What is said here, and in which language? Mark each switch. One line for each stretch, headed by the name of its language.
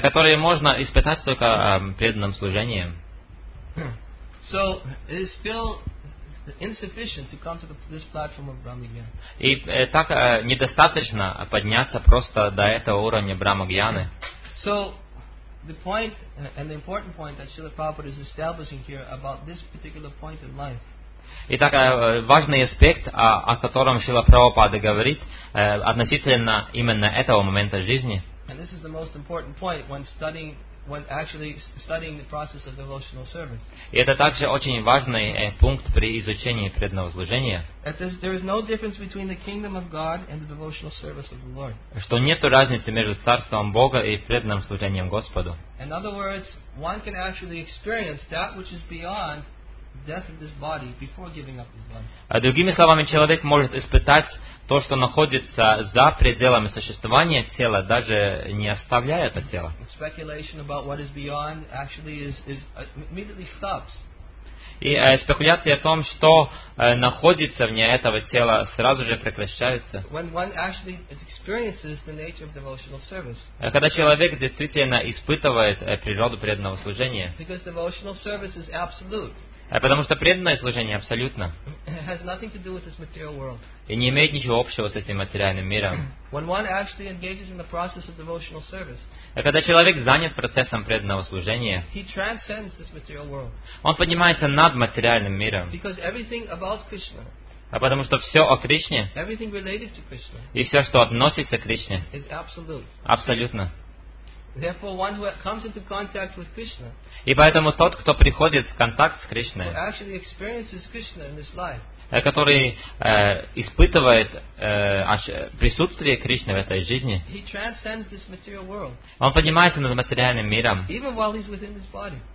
Russian: Которые можно испытать только преданным служением.
English: So it is still insufficient to come to this platform of Brahma-gyan.
Russian: И так недостаточно подняться просто до этого уровня Брахма-гьяны.
English: So the point and the important point that Srila Prabhupada is establishing here about this particular point in life.
Russian: Итак, важный аспект, о котором Шрила Прабхупада говорит, относительно именно этого момента жизни.
English: And this is the most important point when actually studying the process of devotional service.
Russian: И это также очень важный пункт при изучении преданного служения.
English: There is no difference between the kingdom of God and the devotional service of the Lord.
Russian: Что нету разницы между царством Бога и преданным служением Господу.
English: In other words, one can actually experience that which is beyond death of this body before giving up his body.
Russian: А другими словами, человек может испытать то, что находится за пределами существования тела, даже не оставляя это тело.
English: Speculation about what is beyond actually is immediately stops.
Russian: И спекуляции о том, что находится вне этого тела, сразу же прекращаются.
English: When one actually experiences the nature of devotional service.
Russian: Когда человек действительно испытывает природу преданного служения.
English: Because devotional service is absolute.
Russian: Потому что преданное служение абсолютно.
English: It has nothing to do with this material world.
Russian: И не имеет ничего общего с этим материальным миром.
English: When one actually engages in the process of devotional service,
Russian: когда человек занят процессом преданного служения,
English: he transcends this material world.
Russian: Он поднимается над материальным миром.
English: Because everything about Krishna,
Russian: потому что все о Кришне,
English: everything related to Krishna,
Russian: и все, что относится к Кришне,
English: is absolute.
Russian: Абсолютно.
English: Therefore, one who comes into contact with Krishna,
Russian: и поэтому тот, кто приходит в контакт с Кришной,
English: who actually experiences Krishna in this life,
Russian: который испытывает присутствие Кришны в этой жизни,
English: he transcends this material world,
Russian: он поднимается над материальным миром,
English: even while he's within this body,